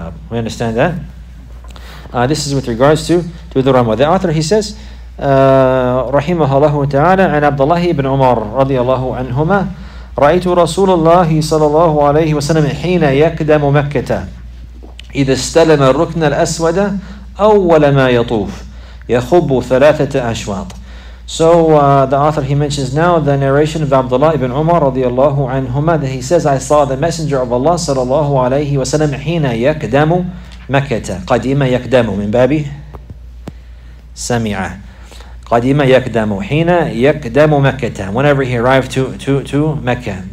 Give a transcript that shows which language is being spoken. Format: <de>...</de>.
<en>We understand that? This is with regards to the Ramadan. The author, he says,</en> <ar>رحمه ta'ala, عن عبد الله بن عمر رضي الله عنهما رأيت رسول الله صلى الله عليه وسلم حين يقدم مكة إذا استلم الركن الأسود أول ما يطوف يخب ثلاثة أشواط.</ar> <en>So the author, he mentions now the narration of Abdullah ibn Umar radiallahu anhuma, that he says, I saw the Messenger of Allah sallallahu alayhi wa sallam</en> <ar>حين يقدم مكة قديما يقدم من باب سمع قديما يقدم حين يقدم مكة,</ar> <en>whenever he arrived to Mecca.</en>